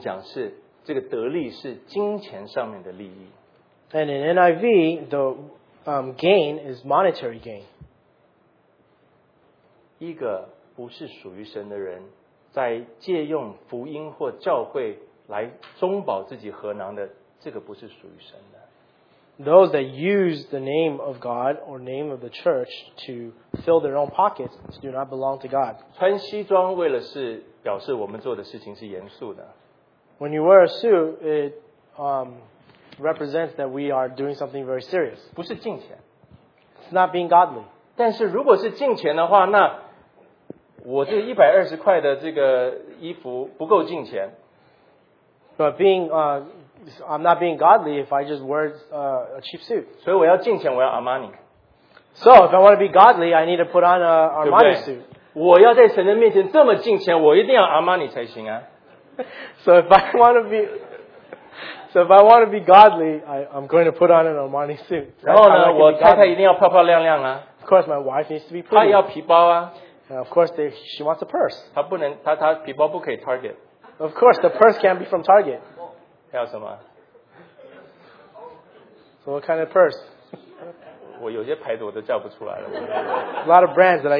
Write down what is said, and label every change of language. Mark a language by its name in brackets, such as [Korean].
[Chinese] NIV的英文圣经讲是这个得利是金钱上面的利益。 [English] And in NIV, the gain is monetary gain. [Chinese] 一个 不是属于神的人,在借用福音或教会来中保自己核囊的,这个不是属于神的。 [English] Those that use the name of God or name of the church to fill their own pockets do not belong to God. [Chinese] 穿西装为了是表示我们做的事情是严肃的。 [English] When you wear a suit, it represents that we are doing something very serious. [Chinese] 不是敬虔。 [English] It's not being godly. [Chinese] 但是如果是敬虔的话, 那 我这120块的这个衣服不够敬虔, [English] but being I'm not being godly if I just wear a cheap suit. [Chinese] 所以我要敬虔,我要Armani. [English] So if I want to be godly, I need to put on an Armani suit. [Chinese] 我要在神的面前这么敬虔,我一定要Armani才行啊。 [English] So if I want to be godly, I'm going to put on an Armani suit. [Chinese] 然后呢,我太太一定要漂漂亮亮啊。 [English] Of course, my wife needs to be pretty. [Chinese] 她要皮包啊。 [English] Of course, she wants a purse. [Chinese] 她不能,她皮包不可以Target. [English] Of course, the purse can't be from Target. [Chinese] 还有什么? [English] So what kind of purse? [Chinese] 我有些牌子我都叫不出来了。 [English] A lot of brands that I can't.